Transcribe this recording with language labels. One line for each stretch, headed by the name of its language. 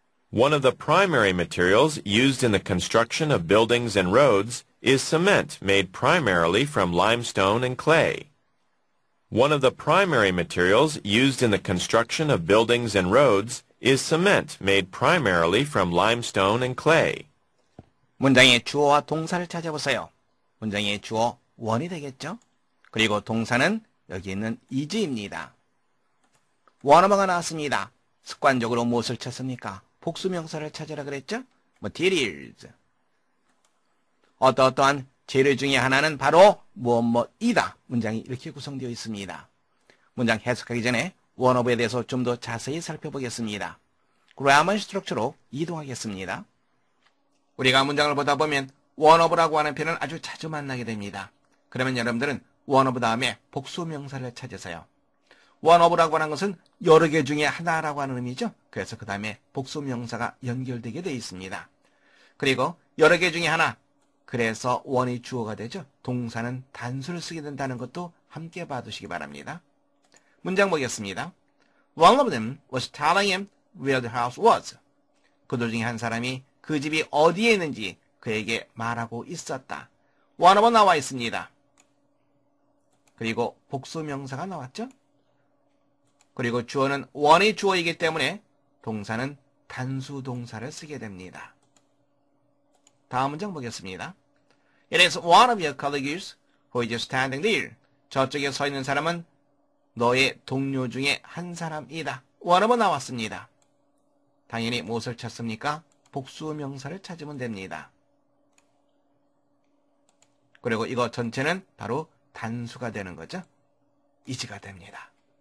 English: One of the primary materials used in the construction of buildings and roads is cement made primarily from limestone and clay. One of the primary materials used in the construction of buildings and roads is cement made primarily from limestone and clay.
Korean: 문장의 주어와 동사를 찾아보세요. 문장의 주어 원이 되겠죠? 그리고 동사는 여기 있는 is입니다. 원어가 나왔습니다. 습관적으로 무엇을 찾습니까? 복수명사를 찾으라 그랬죠?
English: materials.
Korean: 어떠어떠한 재료 중에 하나는 바로 무엇뭐이다. 문장이 이렇게 구성되어 있습니다. 문장 해석하기 전에 원어부에 대해서 좀 더 자세히 살펴보겠습니다. 그라머 스트럭처로 이동하겠습니다. 우리가 문장을 보다 보면 원어부라고 하는 표현을 아주 자주 만나게 됩니다. 그러면 여러분들은 원어부 다음에 복수명사를 찾으세요. 원어브라고 하는 것은 여러 개 중에 하나라고 하는 의미죠. 그래서 그 다음에 복수명사가 연결되게 되어 있습니다. 그리고 여러 개 중에 하나, 그래서 원이 주어가 되죠. 동사는 단수를 쓰게 된다는 것도 함께 봐두시기 바랍니다. 문장 보겠습니다.
English: One of them was telling him where the house was.
Korean: 그들 중에 한 사람이 그 집이 어디에 있는지 그에게 말하고 있었다. 원어브 나와 있습니다. 그리고 복수명사가 나왔죠. 그리고 주어는 원의 주어이기 때문에 동사는 단수 동사를 쓰게 됩니다. 다음 문장 보겠습니다.
English: It is one of your colleagues who is standing there.
Korean: 저쪽에 서 있는 사람은 너의 동료 중에 한 사람이다. 원어가 나왔습니다. 당연히 무엇을 찾습니까? 복수 명사를 찾으면 됩니다. 그리고 이거 전체는 바로 단수가 되는 거죠. is가 됩니다.